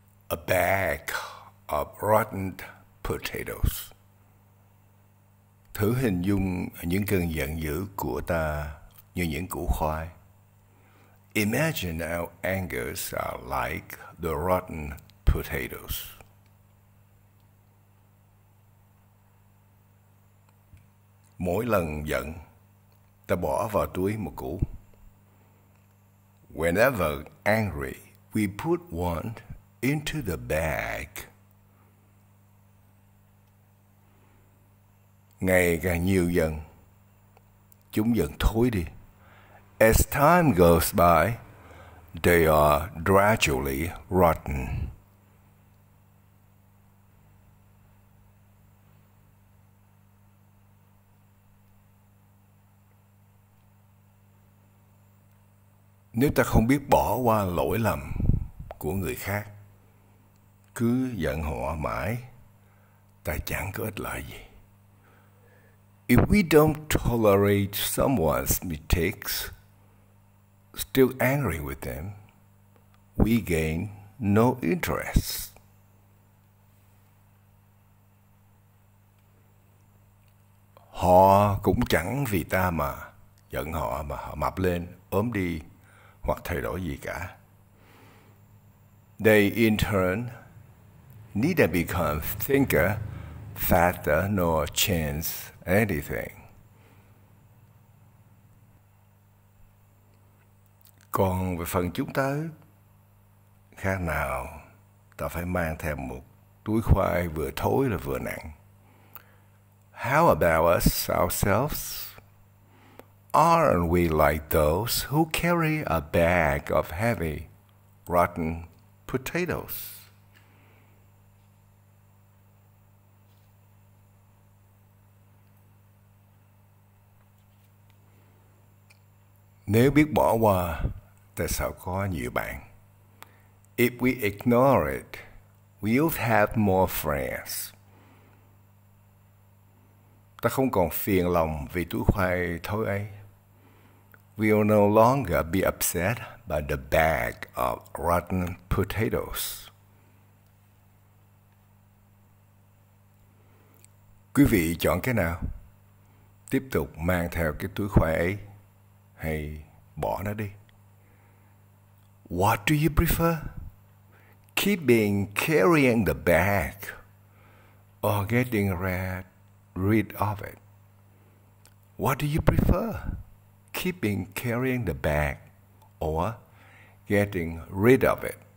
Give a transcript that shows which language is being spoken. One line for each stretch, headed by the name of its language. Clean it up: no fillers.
English: A bag of rotten potatoes.
Vietnamese: Thử hình dung những cơn giận dữ của ta như những củ khoai.
English: Imagine our angers are like the rotten potatoes.
Vietnamese: Mỗi lần giận, ta bỏ vào túi một củ.
English: Whenever angry, we put one into the bag.
Vietnamese: Ngày càng nhiều dần, chúng dần thối đi.
English: As time goes by, they are gradually rotten.
Vietnamese: Nếu ta không biết bỏ qua lỗi lầm của người khác, cứ giận họ mãi, ta chẳng có ích lợi gì.
English: If we don't tolerate someone's mistakes, still angry with them, we gain no interest.
Vietnamese: Họ cũng chẳng vì ta mà giận họ mà họ mập lên, ốm đi hoặc thay đổi gì cả.
English: They in turn neither become thinker, fatter, nor change anything.
Vietnamese: Còn về phần chúng ta, khác nào ta phải mang thêm một túi khoai vừa thối là vừa nặng.
English: How about us ourselves? Aren't we like those who carry a bag of heavy, rotten potatoes?
Vietnamese: Nếu biết bỏ qua, tại sao có nhiều bạn?
English: If we ignore it, we'll have more friends.
Vietnamese: Ta không còn phiền lòng vì túi khoai thối ấy.
English: We'll no longer be upset by the bag of rotten potatoes.
Vietnamese: Quý vị chọn cái nào? Tiếp tục mang theo cái túi khoai ấy hay bỏ nó đi?
English: What do you prefer? Keeping carrying the bag or getting rid of it? What do you prefer? Keeping carrying the bag or getting rid of it?